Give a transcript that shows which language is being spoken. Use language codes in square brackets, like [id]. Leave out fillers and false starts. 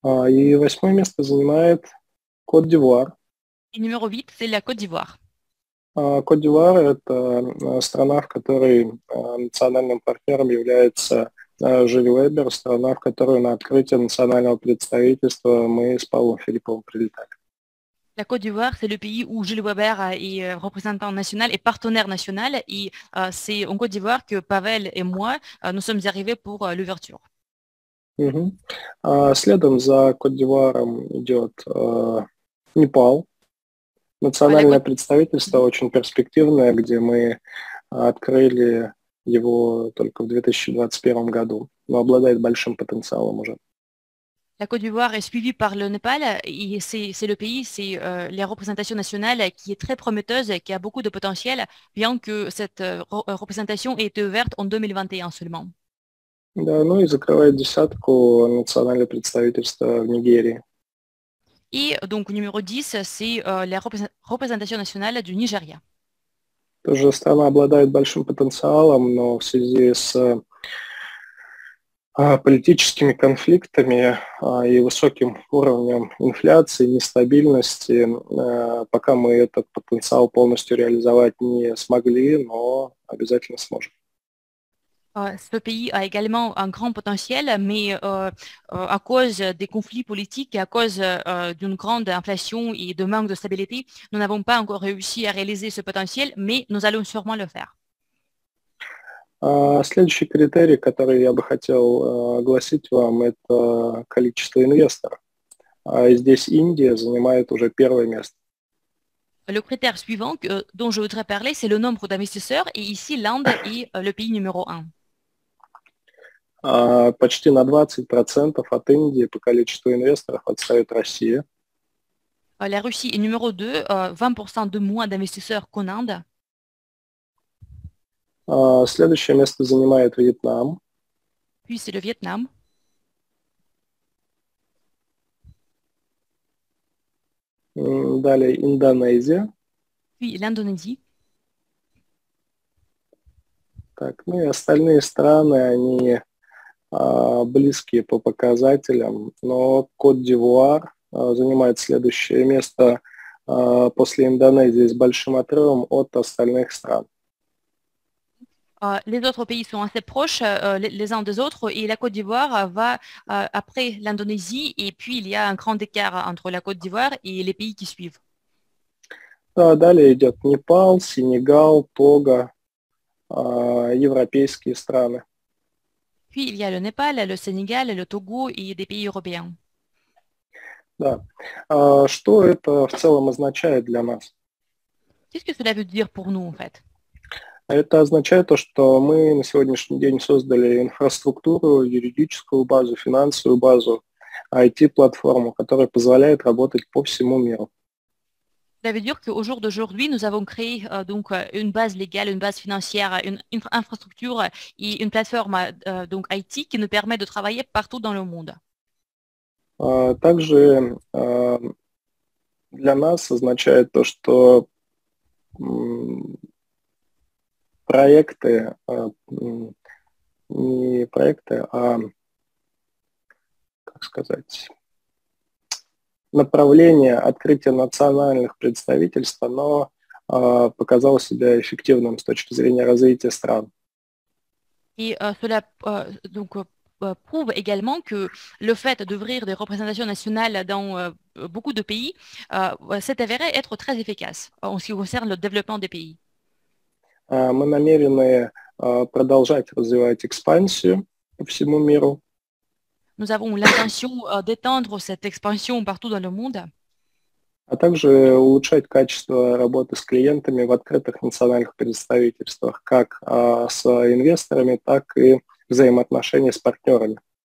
[ru] И восьмое место занимает Кот-д'Ивуар. [fr] И номер 8, c'est la Côte d'Ivoire. [ru] Кот-д'Ивуар – это страна, в которой национальным партнером является Жюри Вебер, страна, в которую на открытие национального представительства мы с Павлом Филипповым прилетали. [fr] La Côte d'Ivoire, c'est le pays où Jules Weber est représentant national et partenaire national. И c'est en Côte d'Ivoire que Pavel et moi, nous sommes arrivés pour l'ouverture. [ru] Следом за Кот-д'Ивуаром идет Непал. Национальное представительство очень перспективное, где мы открыли его только в 2021 году, но обладает большим потенциалом уже. [fr] La Côte d'Ivoire est suivie par le Népal et c'est le pays, c'est la représentation nationale qui est très prometteuse, qui a beaucoup de potentiel, bien que cette représentation ait été ouverte en 2021 seulement. [ru] Да, ну и закрывает десятку национального представительства в Нигерии. [fr] И, donc, numéro 10, c'est la représentation nationale du Nigeria. [ru] Тоже страна обладает большим потенциалом, но в связи с политическими конфликтами и высоким уровнем инфляции, нестабильности, пока мы этот потенциал полностью реализовать не смогли, но обязательно сможем. [fr] Ce pays a également un grand potentiel, mais à cause des conflits politiques et à cause d'une grande inflation et de manque de stabilité, nous n'avons pas encore réussi à réaliser ce potentiel, mais nous allons sûrement le faire. [ru] Следующий критерий, который я бы хотел огласить вам, это количество инвесторов. Здесь Индия занимает уже первое место. [fr] Le critère suivant dont je voudrais parler, c'est le nombre d'investisseurs, et ici l'Inde est le pays numéro 1. [ru] Почти на 20% от Индии по количеству инвесторов отстает Россия. [fr] La Russie est numéro 2, 20% de moins d'investisseurs qu'en Inde. [ru] Следующее место занимает Вьетнам. [fr] Puis c'est le Vietnam. [ru] Далее Индонезия. [fr] Puis l'Indonésie. [ru] Так, ну и остальные страны, они близкие по показателям, но Кот-д'Ивуар занимает следующее место после Индонезии с большим отрывом от остальных стран. [fr] Les autres pays sont assez proches les uns des autres et la Côte d'Ivoire va après l'Indonésie et puis il y a un grand écart entre la Côte d'Ivoire et les pays qui suivent. [ru] Далее идет Непал, Сенегал, Того, европейские страны. [fr] Puis il y a le Népal, le Sénégal, le Togo et des pays européens. [ru] Да. Что это в целом означает для нас? [fr] Qu'est-ce que cela veut dire pour nous, en fait? [ru] Это означает то, что мы на сегодняшний день создали инфраструктуру, юридическую базу, финансовую базу, IT-платформу, которая позволяет работать по всему миру. [fr] Ça veut dire qu'au jour d'aujourd'hui, nous avons créé donc une base légale, une base financière, une infrastructure et une plateforme donc IT qui nous permet de travailler partout dans le monde. [ru] Также для нас означает то, что проекты, не проекты, а, как сказать, направление открытия национальных представительств, оно показало себя эффективным с точки зрения развития стран. [fr] И cela donc prouve également que le fait d'ouvrir des représentations nationales dans beaucoup de pays s'est avéré être très efficace en ce qui concerne le développement des pays. [ru] Мы намерены продолжать развивать экспансию по всему миру. [fr] Nous avons l'intention d'étendre cette expansion partout dans le monde. [ru] А также улучшать качество работы с клиентами в открытых национальных представительствах, как с инвесторами, так и взаимоотношения с партнерами.